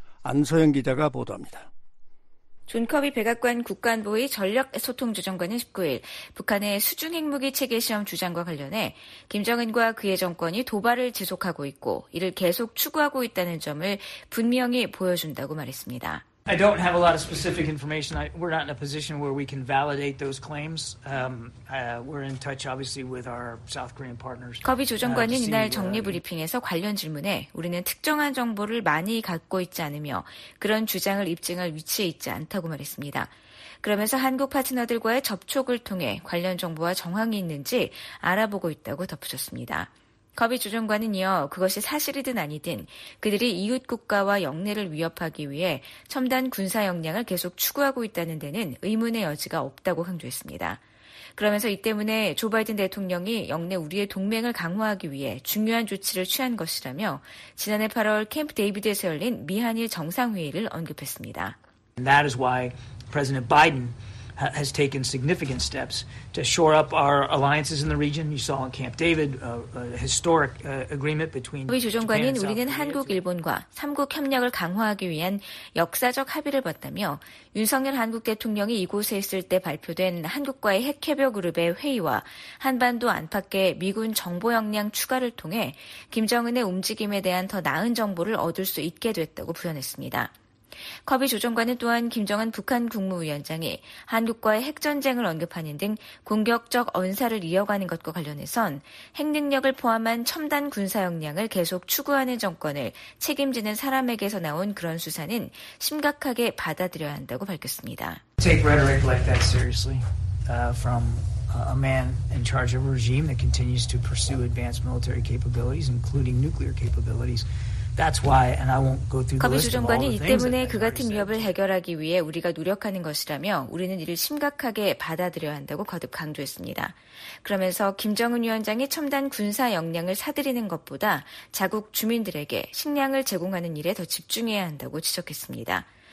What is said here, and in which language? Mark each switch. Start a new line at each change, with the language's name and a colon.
Korean: 안서영 기자가 보도합니다. 존 커비 백악관 국간보의 전략소통조정관은 19일 북한의 수중핵무기 체계 시험 주장과 관련해 김정은과 그의 정권이 도발을 지속하고 있고 이를 계속 추구하고 있다는 점을 분명히 보여준다고 말했습니다.
English: I don't have a lot of specific information. We're not in a position where we can validate those claims. We're in touch, obviously, with our South Korean partners.
Korean: 커비 조정관은 이날 정례 브리핑에서 관련 질문에 우리는 특정한 정보를 많이 갖고 있지 않으며 그런 주장을 입증할 위치에 있지 않다고 말했습니다. 그러면서 한국 파트너들과의 접촉을 통해 관련 정보와 정황이 있는지 알아보고 있다고 덧붙였습니다. 커비 조정관은 이어 그것이 사실이든 아니든 그들이 이웃 국가와 영내를 위협하기 위해 첨단 군사 역량을 계속 추구하고 있다는 데는 의문의 여지가 없다고 강조했습니다. 그러면서 이 때문에 조 바이든 대통령이 영내 우리의 동맹을 강화하기 위해 중요한 조치를 취한 것이라며 지난해 8월 캠프 데이비드에서 열린 미한일 정상회의를 언급했습니다.
English: That is why President Biden has taken significant steps to shore up our alliances in the region. You saw in Camp David a historic agreement between.
Korean: 우리 조정관은 우리는 한국 일본과 삼국 협력을 강화하기 위한 역사적 합의를 봤다며 윤석열 한국 대통령이 이곳에 있을 때 발표된 한국과의 핵협력 그룹의 회의와 한반도 안팎의 미군 정보 역량 추가를 통해 김정은의 움직임에 대한 더 나은 정보를 얻을 수 있게 됐다고 부연했습니다. 커비 조정관은 또한 김정은 북한 국무위원장이 한국과의 핵전쟁을 언급하는 등 공격적 언사를 이어가는 것과 관련해선 핵능력을 포함한 첨단 군사 역량을 계속 추구하는 정권을 책임지는 사람에게서 나온 그런 수사는 심각하게 받아들여야 한다고 밝혔습니다.
English: Take rhetoric like that seriously from a man in charge of a regime that continues to pursue advanced military capabilities, including nuclear capabilities. That's why, and I won't go through the list.
Korean: 커비 조정관이 이 때문에 그 같은 위협을 해결하기 위해 우리가 노력하는 것이라며 우리는 이를 심각하게 받아들여야 한다고 거듭 강조했습니다. 그러면서 김정은 위원장이 첨단 군사 역량을 사들이는 것보다 자국 주민들에게 식량을 제공하는 일에 더 집중해야 한다고 지적했습니다.